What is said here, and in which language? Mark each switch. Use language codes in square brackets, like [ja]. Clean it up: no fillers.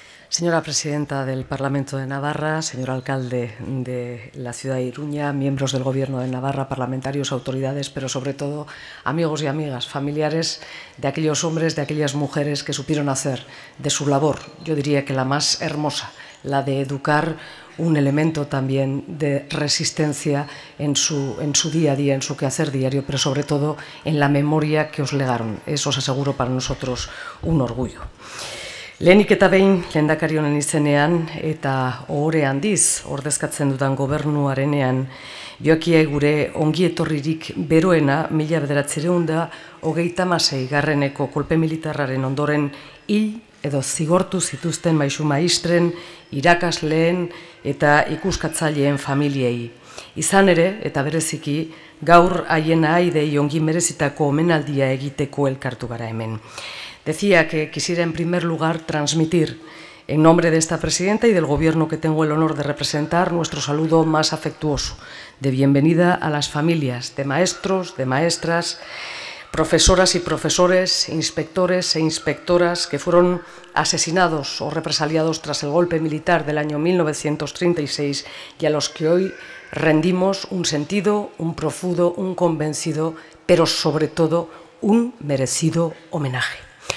[es] Señora presidenta del Parlamento de Navarra, señor alcalde de la ciudad de Iruña, miembros del Gobierno de Navarra, parlamentarios, autoridades, pero sobre todo amigos y amigas, familiares de aquellos hombres, de aquellas mujeres que supieron hacer de su labor, yo diría que la más hermosa, la de educar, un elemento también de resistencia en su día a día, en su quehacer diario, pero sobre todo en la memoria que os legaron. Eso os aseguro para nosotros un orgullo. [eu] Lehenik eta behin, lehendakari honen izenean eta ohore handiz ordezkatzen dudan gobernuarenean, joakia gure ongietorririk beroena 1926-eko kolpe militarraren ondoren hil edo zigortu zituzten maisu maistren, irakasleen eta ikuskatzaileen familiei. Izan ere, eta bereziki, gaur haien ahaidei ongi merezitako omenaldia egiteko elkartu gara hemen. [es] Decía que quisiera en primer lugar transmitir en nombre de esta presidenta y del gobierno que tengo el honor de representar nuestro saludo más afectuoso de bienvenida a las familias de maestros, de maestras, profesoras y profesores, inspectores e inspectoras que fueron asesinados o represaliados tras el golpe militar del año 1936 y a los que hoy rendimos un sentido, un profundo, un convencido, pero sobre todo un merecido homenaje.